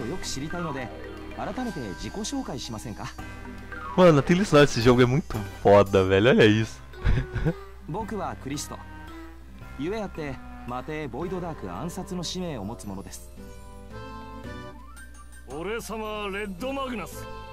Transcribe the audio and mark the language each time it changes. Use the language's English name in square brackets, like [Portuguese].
[Japanese] ちょっといいですか?皆さんのことをもっとよく知りたいので、改めて自己紹介しませんか? [Portuguese] Mano, a trilha sonora desse jogo é muito foda, velho. Olha isso. [Japanese] 僕はクリスト。ゆえあって、魔帝ボイドダーク暗殺の使命を持つものです。俺様はレッドマグナス。